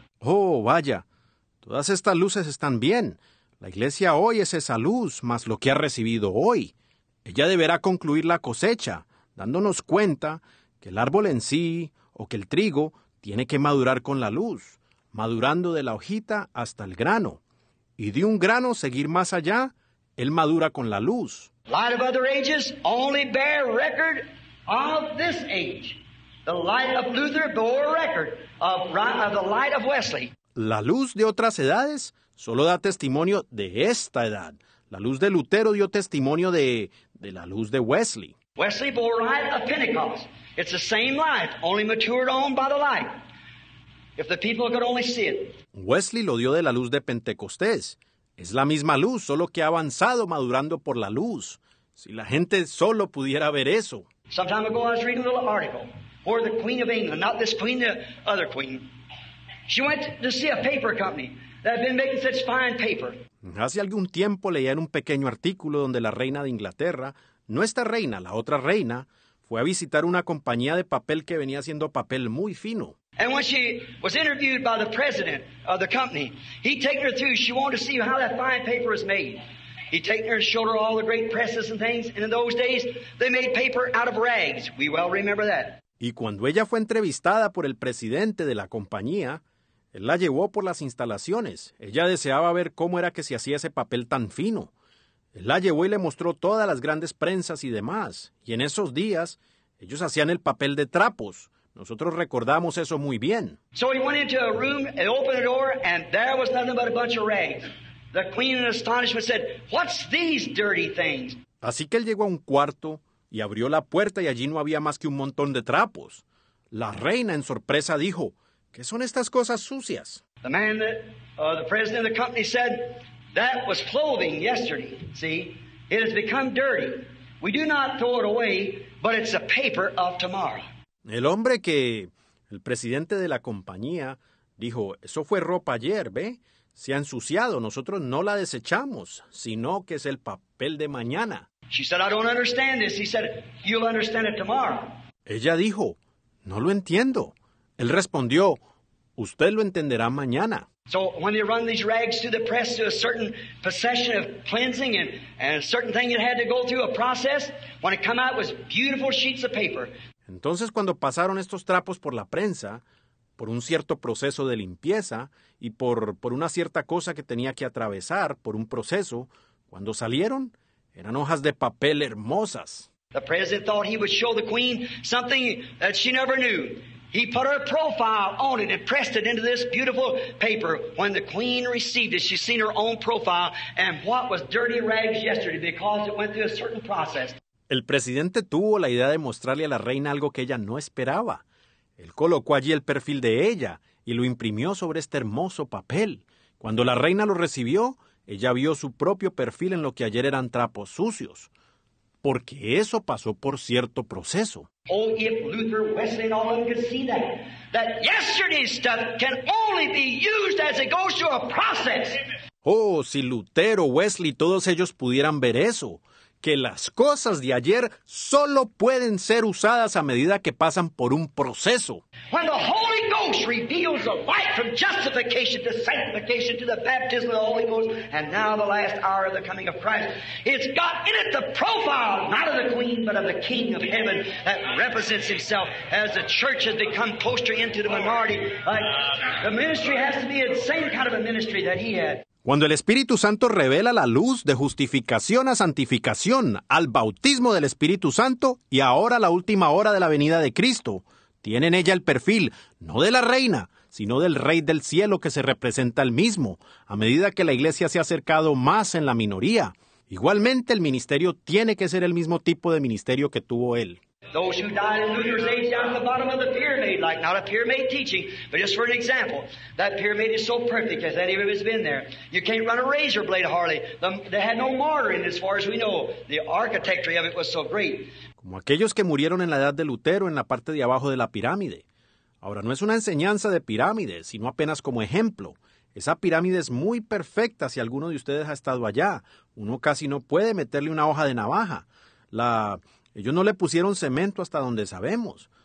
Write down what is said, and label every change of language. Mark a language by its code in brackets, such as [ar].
[es] Oh, vaya. Todas estas luces están bien. La iglesia hoy es esa luz, más lo que ha recibido hoy. Ella deberá concluir la cosecha. dándonos cuenta que el árbol en sí o que el trigo tiene que madurar con la luz, madurando de la hojita hasta el grano. Y de un grano seguir más allá, él madura con la luz. [en] Light of other ages only bear record of this age. The light of Luther bore record of the light of Wesley. [es] La luz de otras edades solo da testimonio de esta edad. La luz de Lutero dio testimonio de la luz de Wesley. [en] Wesley bore light of Pentecost. It's the same light, only matured on by the light. If the people could only see it. [es] Wesley lo dio de la luz de Pentecostés. Es la misma luz, solo que ha avanzado madurando por la luz. Si la gente solo pudiera ver eso. [en] Some time ago I was reading a little article where the Queen of England, not this queen, the other queen, she went to see a paper company that had been making such fine paper. [es] Hace algún tiempo leía en un pequeño artículo donde la reina de Inglaterra, no esta reina, la otra reina, fue a visitar una compañía de papel que venía haciendo papel muy fino. [en] And when she was interviewed by the president of the company, he'd taken her through. She wanted to see how that fine paper was made. He'd taken her and showed her all the great presses and things. And in those days, they made paper out of rags. We well remember that. [es] Y cuando ella fue entrevistada por el presidente de la compañía, él la llevó por las instalaciones. Ella deseaba ver cómo era que se hacía ese papel tan fino. Él la llevó y le mostró todas las grandes prensas y demás. Y en esos días, ellos hacían el papel de trapos. Nosotros recordamos eso muy bien. [en] So he went into a room, he opened the door, and there was nothing but a bunch of rags. The queen in astonishment said, "What's these dirty things?" [es] Así que él llegó a un cuarto y abrió la puerta y allí no había más que un montón de trapos. La reina en sorpresa dijo, "¿Qué son estas cosas sucias?" [en] The man that, the president of the company said, "That was clothing yesterday, see? It has become dirty. We do not throw it away, but it's the paper of tomorrow." [es] El hombre que, el presidente de la compañía, dijo, eso fue ropa ayer, ¿ve? Se ha ensuciado, nosotros no la desechamos, sino que es el papel de mañana. [en] She said, "I don't understand this." He said, "You'll understand it tomorrow." [es] Ella dijo, "No lo entiendo." Él respondió, "Usted lo entenderá mañana." [en] So when they run these rags through the press to a certain procession of cleansing and a certain thing that had to go through a process, when it come out was beautiful sheets of paper. [es] Entonces, cuando pasaron estos trapos por la prensa, por un cierto proceso de limpieza y por una cierta cosa que tenía que atravesar, por un proceso, cuando salieron, eran hojas de papel hermosas. [en] The president thought he would show the queen something that she never knew. He put her profile on it and pressed it into this beautiful paper. When the queen received it, she seen her own profile and what was dirty rags yesterday because it went through a certain process. [es] El presidente tuvo la idea de mostrarle a la reina algo que ella no esperaba. Él colocó allí el perfil de ella y lo imprimió sobre este hermoso papel. Cuando la reina lo recibió, ella vio su propio perfil en lo que ayer eran trapos sucios, porque eso pasó por cierto proceso. [en] Oh, if Luther, Wesley, and all of them could see that, that yesterday's stuff can only be used as it goes through a process. [es] Oh, si Lutero, Wesley, todos ellos pudieran ver eso. Que las cosas de ayer solo pueden ser usadas a medida que pasan por un proceso. [en] When the Holy Ghost reveals the light from justification to sanctification to the baptism of the Holy Ghost, and now the last hour of the coming of Christ, it's got in it the profile, not of the Queen, but of the King of Heaven that represents himself as the church has become closer into the minority. Like the ministry has to be the same kind of a ministry that he had. [es] Cuando el Espíritu Santo revela la luz de justificación a santificación, al bautismo del Espíritu Santo y ahora la última hora de la venida de Cristo, tiene en ella el perfil, no de la reina, sino del Rey del Cielo que se representa al mismo, a medida que la iglesia se ha acercado más en la minoría. Igualmente, el ministerio tiene que ser el mismo tipo de ministerio que tuvo él. [en] Those who died in Luther's age down at the bottom of the pyramid, like not a pyramid teaching, but just for an example, that pyramid is so perfect as any of it has been there. You can't run a razor blade hardly. They had no mortar in it, as far as we know. The architecture of it was so great. [es] Como aquellos que murieron en la edad de Lutero en la parte de abajo de la pirámide. Ahora, no es una enseñanza de pirámides, sino apenas como ejemplo. Esa pirámide es muy perfecta si alguno de ustedes ha estado allá. Uno casi no puede meterle una hoja de navaja. Ellos no le pusieron cemento hasta donde sabemos.